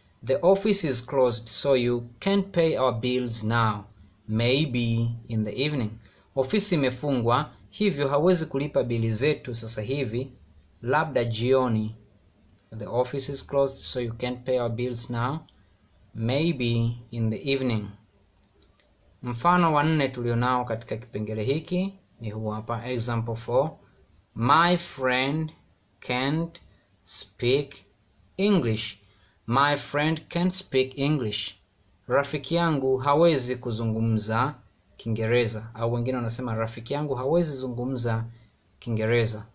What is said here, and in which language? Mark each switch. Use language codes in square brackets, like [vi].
[en] The office is closed, so you can't pay our bills now. Maybe in the evening. [sw] Ofisi imefungwa, hivyo hawezi kulipa bili zetu sasa hivi, labda jioni. [en] The office is closed, so you can't pay our bills now. Maybe in the evening. [sw] Mfano wa nne tulionao katika kipengele hiki ni huu hapa. [en] Example 4. My friend can't speak English. My friend can't speak English. [sw] Rafiki yangu hawezi kuzungumza Kiingereza. Au wengine wanasema rafiki yangu hawezi zungumza Kiingereza.